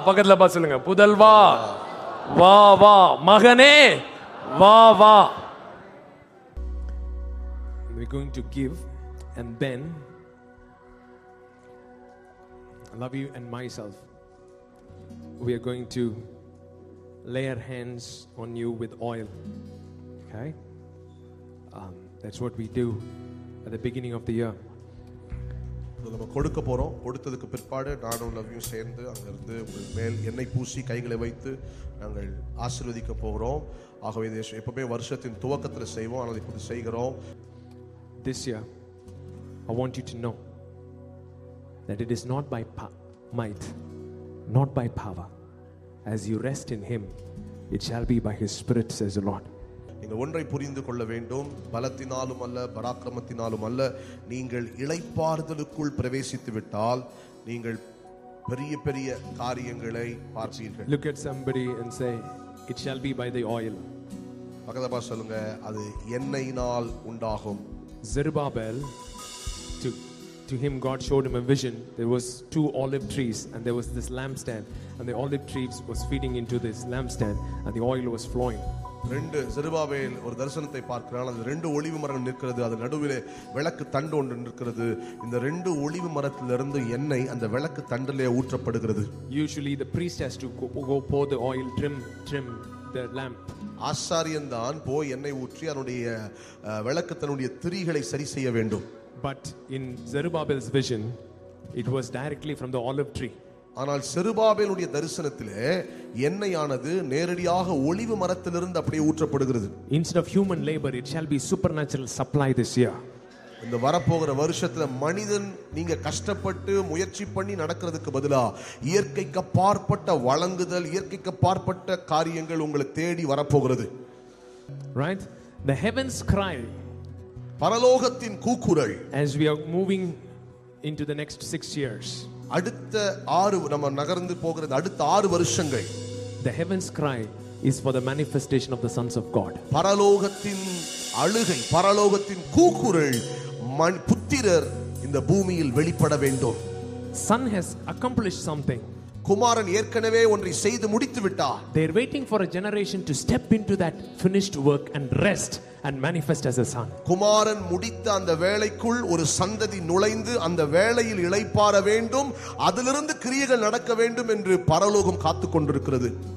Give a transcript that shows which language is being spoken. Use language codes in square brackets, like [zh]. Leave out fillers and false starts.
[ta] பக்கத்துல பா சொல்லுங்க, புதல்வா வா வா, மகனே வா வா. [en] We're going to give and then I love you and myself. We are going to lay our hands on you with oil. Okay? That's what we do at the beginning of the year. [ta] நம்ம கொடுக்க போறோம். கொடுத்ததுக்கு பிற்பாடு நானும் லவ்யும் சேர்ந்து அங்கிருந்து உங்கள் மேல் எண்ணெய் பூசி கைகளை வைத்து நாங்கள் ஆசீர்வதிக்க போகிறோம். ஆகவே இதை எப்பவுமே வருஷத்தின் துவக்கத்தில் செய்வோம், ஆனால் இப்போது செய்கிறோம். [en] This year, I want you to know that it is not by might, not by power. As you rest in him, it shall be by his spirit, says the Lord. [ta] நீங்க ஒன்றை புரிந்து கொள்ள வேண்டும், பலத்தினாலும் அல்ல, பராக்கிரமத்தினாலும் அல்ல, நீங்கள் இளைப்பாறுதலுக்குள் பிரவேசித்து விட்டால் நீங்கள் பெரிய பெரிய காரியங்களை பார்ப்பீர்கள். [en] Look at somebody and say, it shall be by the oil. [ta] பக்கத்துல பா சொல்லுங்க, அது எண்ணெயினால் உண்டாகும். [en] Zerubbabel took to him, God showed him a vision. There was two olive trees and there was this lampstand, and the olive trees was feeding into this lampstand and the oil was flowing. [ta] ரெண்டு செருபாவேல் ஒரு தரிசனத்தை பார்க்கிறான். அது ரெண்டு ஒளிவு மரங்கள் நிற்கிறது, அது நடுவிலே விளக்கு தண்டு ஒன்று நிற்கிறது. இந்த ரெண்டு ஒளிவு மரத்திலிருந்து எண்ணெய் அந்த விளக்கு தண்டிலே ஊற்றப்படுகிறது. [en] Usually the priest has to go pour the oil, trim trim the lamp. [ta] ஆசாரியன் தான் போய் எண்ணெய் ஊற்றி அதனுடைய விளக்கு தன்னுடைய திரிகளை சரி செய்ய வேண்டும். [en] But in Zerubbabel's vision, it was directly from the olive tree. [ta] ஆனால் செருபாபேலுடைய தரிசனத்திலே எண்ணெயானது நேரடியாக ஒலிவு மரத்திலிருந்து அப்படியே ஊற்றப்படுகிறது. [en] Instead of human labor, it shall be supernatural supply this year. [ta] இந்த வரப்போகிற வருஷத்துல மனிதன் நீங்க கஷ்டப்பட்டு முயற்சி பண்ணி நடக்கிறதுக்கு பதிலா இயற்கைக்கு பார்ப்பட்ட வழங்குதல், இயற்கைக்கு பார்ப்பட்ட காரியங்கள் உங்களை தேடி வரப்போகிறது. [en] Right? The heavens cry. [ta] பரலோகத்தின் கூக்குரல். [en] As we are moving into the next 6 years. [ta] அடுத்த 6 நம்ம நகர்ந்து போகிறது, அடுத்த 6 வருஷங்கள். [en] The heavens cry is for the manifestation of the sons of God. [ta] பரலோகத்தின் அழுகை, பரலோகத்தின் கூக்குரல், புத்திரர் இந்த பூமியில் வெளிப்பட வேண்டும். [en] Son has accomplished something. [ta] குமாரன் ஏற்கனவே ஒன்றை செய்து முடித்து விட்டார். [en] They are waiting for a generation to step into that finished work and rest and manifest as a son. [ta] குமாரன் முடித்த அந்த வேலைக்குள் ஒரு சந்ததி நுழைந்து அந்த வேலையில் இளைப்பாற வேண்டும், அதிலிருந்து கிரியைகள் நடக்க வேண்டும் என்று பரலோகம் காத்து கொண்டிருக்கிறது.